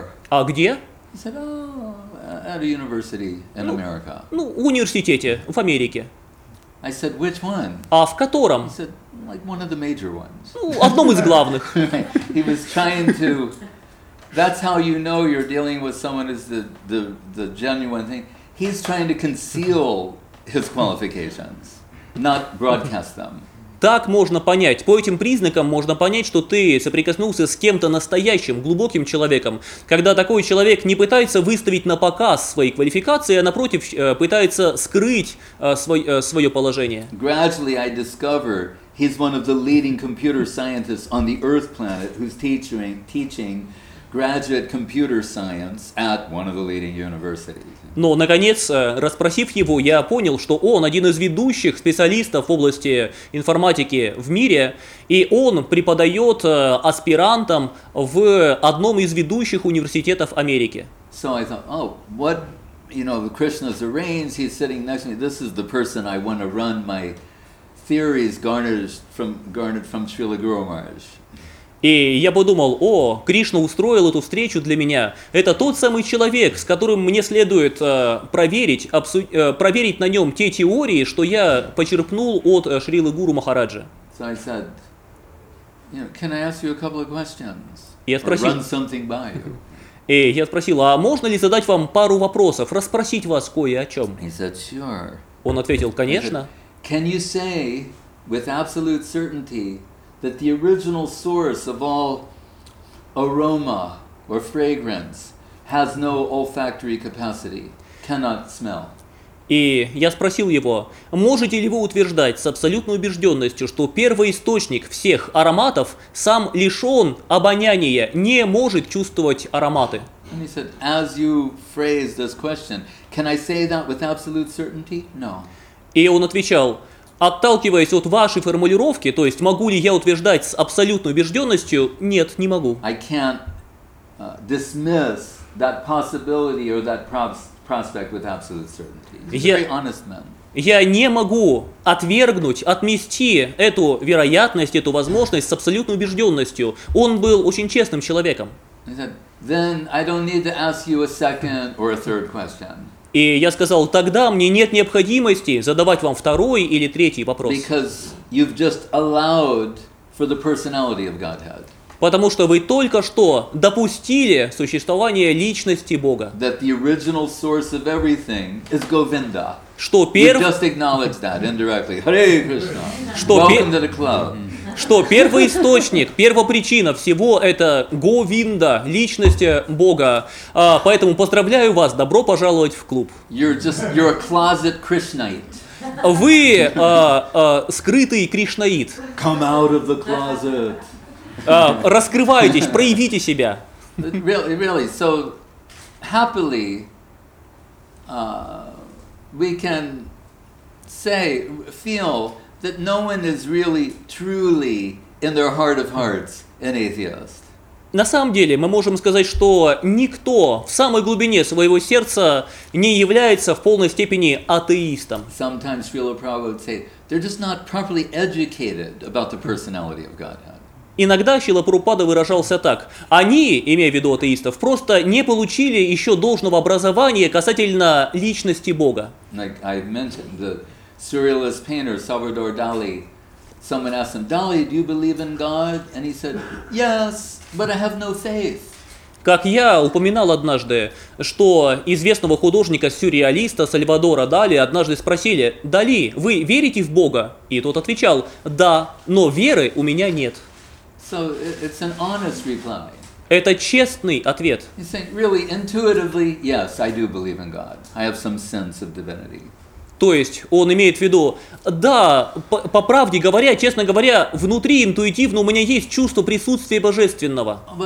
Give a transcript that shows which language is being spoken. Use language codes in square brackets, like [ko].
[ru] А где? Ну, в университете, в Америке. [en] I said, which one? [ru] А в котором? [en] He said, like one of the major ones. [ru] Ну, одном из главных. [en] He was trying to. That's how you know you're dealing with someone who's the genuine thing. He's trying to conceal his qualifications, not broadcast them. [ru] Так можно понять. По этим признакам можно понять, что ты соприкоснулся с кем-то настоящим, глубоким человеком. Когда такой человек не пытается выставить на показ свои квалификации, а напротив, пытается скрыть свое положение. [en] Gradually I discover he's one of the leading computer scientists on the Earth planet who's teaching graduate computer science at one of the leading universities. [ru] Но, наконец, расспросив его, я понял, что он один из ведущих специалистов в области информатики в мире, и он преподает аспирантам в одном из ведущих университетов Америки. [en] So I thought, oh, what, you know, Krishna's arranged, he's sitting next to me, this is the person I want to run my theories garnered from Srila Guru Maharaj. [ru] И я подумал, о, Кришна устроил эту встречу для меня. Это тот самый человек, с которым мне следует проверить на нем те теории, что я почерпнул от Шрилы Гуру Махараджа. [en] So I said, you know, can I ask you a couple of questions? [ru] Я спросил, [en] or run something by you? [ru] И я спросил, а можно ли задать вам пару вопросов, расспросить вас кое о чем? [en] He said, sure. [ru] Он ответил, конечно. [en] Can you say with absolute certainty that the original source of all aroma or fragrance has no olfactory capacity, cannot smell. [ru] И я спросил его, можете ли вы утверждать с абсолютной убежденностью, что первоисточник всех ароматов сам лишен обоняния, не может чувствовать ароматы? [en] And he said, as you phrased this question, can I say that with absolute certainty? No. [ru] И он отвечал, отталкиваясь от вашей формулировки, то есть могу ли я утверждать с абсолютной убежденностью, нет, не могу. [en] I can't dismiss that possibility or that prospect with absolute certainty. He's a very honest man. [ru] Я не могу отвергнуть, отмести эту вероятность, эту возможность с абсолютной убежденностью. Он был очень честным человеком. [en] He said, then I don't need to ask you a second or a third question. [ru] И я сказал, тогда мне нет необходимости задавать вам второй или третий вопрос. [en] Because you've just allowed for the personality of Godhead. [ru] Потому что вы только что допустили существование личности Бога. [en] That the original source of everything is Govinda. [ru] Что [en] You've just acknowledged that indirectly. Hare Krishna. Welcome to the club. [ru] Что первоисточник, первопричина всего – это Говинда, личность Бога. Поэтому поздравляю вас, добро пожаловать в клуб. [en] You're a closet Krishnaite. [ru] Вы скрытый кришнаид. [en] Come out of the closet. [ru] Раскрывайтесь, проявите себя. [en] Really, really. So happily, we can say, feel that no one is really, truly in their heart of hearts an atheist. [ru] На самом деле, мы можем сказать, что никто в самой глубине своего сердца не является в полной степени атеистом. [en] Sometimes Srila Prabhupada would say, they're just not properly educated about the personality of Godhead. [ru] Иногда Шрила Прабхупада выражался так: они, имея в виду атеистов, просто не получили еще должного образования касательно личности Бога. [en] Like I mentioned, the surrealist painter Salvador Dali, someone asked him, Dali, do you believe in God? And he said, yes. But I have no faith. [ru] Как я упоминал однажды, что известного художника-сюрреалиста Сальвадора Дали однажды спросили: «Дали, вы верите в Бога?» И тот отвечал: «Да, но веры у меня нет». [en] So it's an honest reply. [ru] Это честный ответ. [en] He's saying, really, intuitively, yes, I do believe in God. I have some sense of divinity. [ru] То есть он имеет в виду, да, по правде говоря, честно говоря, внутри интуитивно у меня есть чувство присутствия Божественного.